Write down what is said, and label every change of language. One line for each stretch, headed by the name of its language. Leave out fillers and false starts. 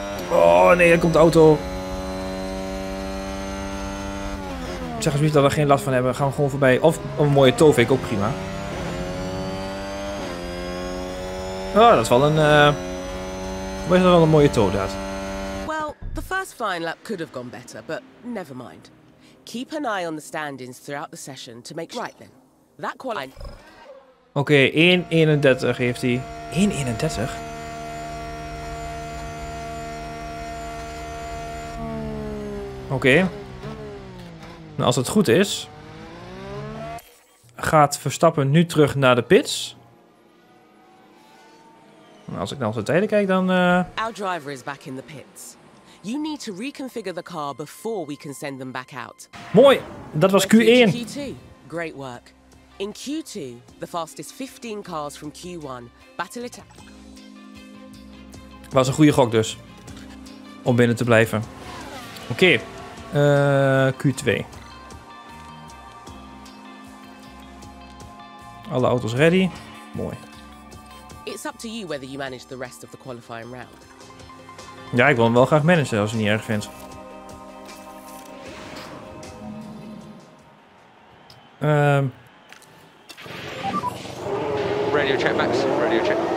Dutch: Oh nee, daar komt de auto. Zeg eens niet dat we er geen last van hebben. Gaan we gewoon voorbij. Of een mooie tow, vind ik ook prima. Oh, dat is wel een... Wees dat wel een mooie toon, dat.
English: Well, the first flying lap could have gone better, but never mind. Keep an eye on the stand-ins throughout the session to make sure... Right then. That quali...
Dutch: Oké, okay, 1.31 heeft hij. 1.31? Oké. Okay. Nou, als het goed is... Gaat Verstappen nu terug naar de pits? Als ik naar onze tijden kijk, dan...
English: Our driver is back in the pits. You need to reconfigure the car before we can send them back out.
Dutch: Mooi! Dat was Q1.
English: Q2. Great work. In Q2, the fastest 15 cars from Q1 battle it out.
Dutch: Was een goede gok dus. Om binnen te blijven. Oké. Okay. Q2. Alle auto's ready. Mooi.
English: It's up to you whether you manage the rest of the qualifying round.
Dutch: Ja, ik wil hem wel graag managen als je het niet erg vindt.
English: Radio check, Max. Radio check.